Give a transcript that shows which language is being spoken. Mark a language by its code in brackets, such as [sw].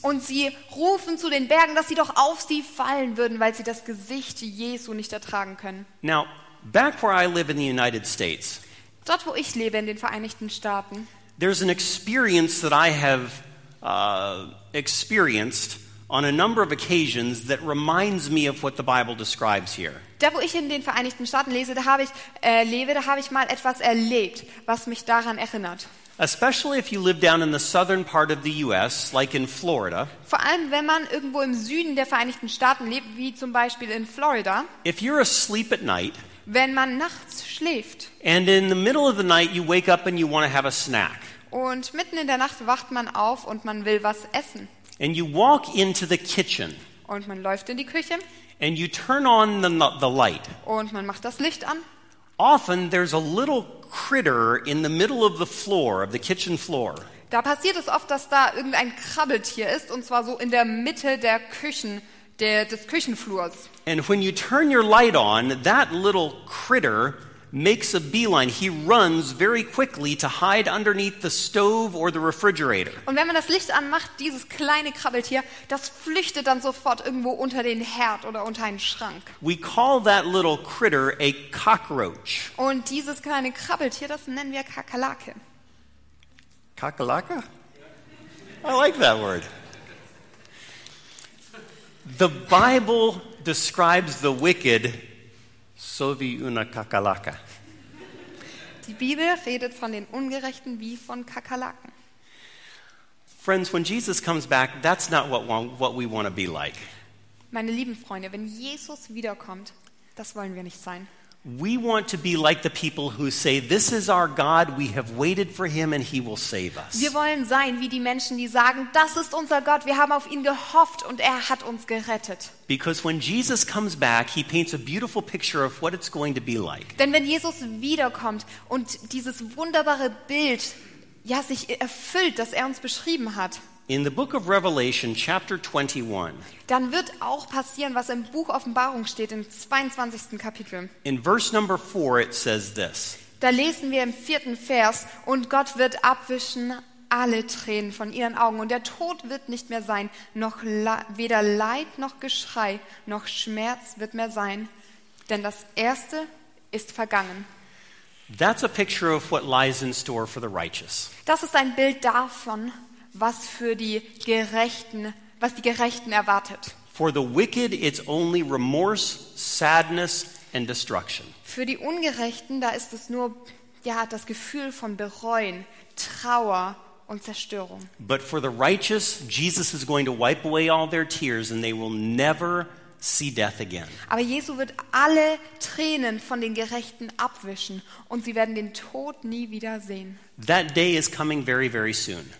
[de] Und sie rufen zu den Bergen, dass sie doch auf sie fallen würden, weil sie das Gesicht Jesu nicht ertragen können. [en] Now, back where I live in the United States. [de] Dort, wo ich lebe, in den Vereinigten Staaten. [en] There's an experience that I have experienced on a number of occasions that reminds me of what the Bible describes here. [de] Da, wo ich in den Vereinigten Staaten lebe, da habe ich mal etwas erlebt, was mich daran erinnert. [en] Especially if you live down in the southern part of the U.S., like in Florida. [de] Vor allem, wenn man irgendwo im Süden der Vereinigten Staaten lebt, wie zum Beispiel in Florida. [en] If you're asleep at night. [de] Wenn man nachts schläft. [en] And in the middle of the night you wake up and you want to have a snack. [de] Und mitten in der Nacht wacht man auf und man will was essen. [en] And you walk into the kitchen. [de] Und man läuft in die Küche. [en] And you turn on the light. [de] Und man macht das Licht an. [en] Often there's a little critter in the middle of the floor, of the kitchen floor. [de] Da passiert es oft, dass da irgendein Krabbeltier ist, und zwar so in der Mitte der Küche. Des Küchenflurs. [en] And when you turn your light on, that little critter makes a beeline. He runs very quickly to hide underneath the stove or the refrigerator. [de] Und wenn man das Licht anmacht, dieses kleine Krabbeltier, das flüchtet dann sofort irgendwo unter den Herd oder unter einen Schrank. [en] We call that little critter a cockroach. [de] Und dieses kleine Krabbeltier, das nennen wir Kakerlake. [en] Kakerlake? I like that word. The Bible describes the wicked [de] so wie una Kakerlake. Die Bibel redet von den Ungerechten wie von Kakerlaken. [en] Friends, when Jesus comes back, that's not what we want to be like. [de] Meine lieben Freunde, wenn Jesus wiederkommt, das wollen wir nicht sein. [en] We want to be like the people who say, "This is our God. We have waited for Him, and He will save us." [de] Wir wollen sein wie die Menschen, die sagen, "Das ist unser Gott. Wir haben auf ihn gehofft, und er hat uns gerettet." [en] Because when Jesus comes back, He paints a beautiful picture of what it's going to be like. [de] Denn wenn Jesus wiederkommt und dieses wunderbare Bild ja sich erfüllt, das er uns beschrieben hat. [en] In the book of Revelation, chapter 21. [de] Dann wird auch passieren, was im Buch Offenbarung steht, im 22. Kapitel. [en] In verse number 4, it says this. [de] Da lesen wir im 4. Vers, und Gott wird abwischen alle Tränen von ihren Augen, und der Tod wird nicht mehr sein, noch weder Leid noch Geschrei noch Schmerz wird mehr sein, denn das Erste ist vergangen. [en] That's a picture of what lies in store for the righteous. [de] Das ist ein Bild davon, was für die Gerechten, was die Gerechten erwartet. [en] For the wicked, it's only remorse, sadness and destruction. [de] Für die Ungerechten, da ist es nur ja das Gefühl von Bereuen, Trauer und Zerstörung. [en] But for the righteous, Jesus is going to wipe away all their tears and they will never see death again. [de] Aber Jesus wird alle Tränen von den Gerechten abwischen und sie werden den Tod nie wieder sehen. [en] That day is coming very, very soon.